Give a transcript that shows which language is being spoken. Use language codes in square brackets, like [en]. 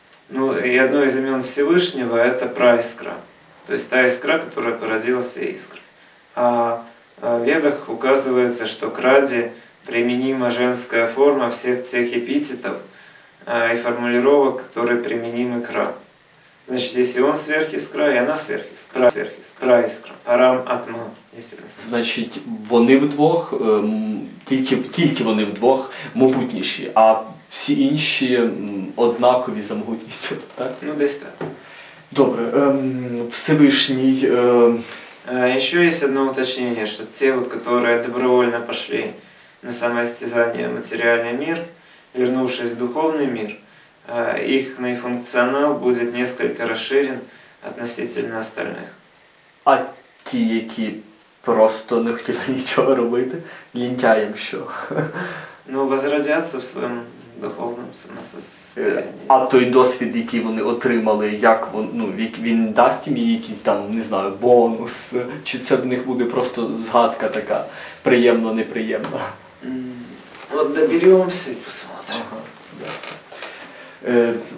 [ru] Ну, и одно из имен Всевышнего – это праискра. То есть та искра, которая породила все искры. А в Ведах указывается, что к Раде применима женская форма всех тех эпитетов и формулировок, которые применимы к Ра. Значит, если он сверхискра, и она сверхискра. Сверхискра, праискра, парам, атма, если не сказать. [uk] Значит, они вдвох, [ru] только они вдвох [uk] могутніші, а всі інші однакові за могутністю, так? Ну, десь так. Добре, Всевышний... [ru] Еще есть одно уточнение, что те, вот, которые добровольно пошли на самоистязание в материальный мир, вернувшись в духовный мир, их функционал будет несколько расширен относительно остальных. [uk] А те, які просто не хотели ничего робити, лентяям що? [ru] Ну, возродятся в своем духовному самосостоянию. [uk] А той досвід, який вони отримали, як він дасть їм якийсь там, не знаю, бонус? Чи це в них буде просто згадка така, приємно-неприємно? От доберемося і посмотримо. Ага,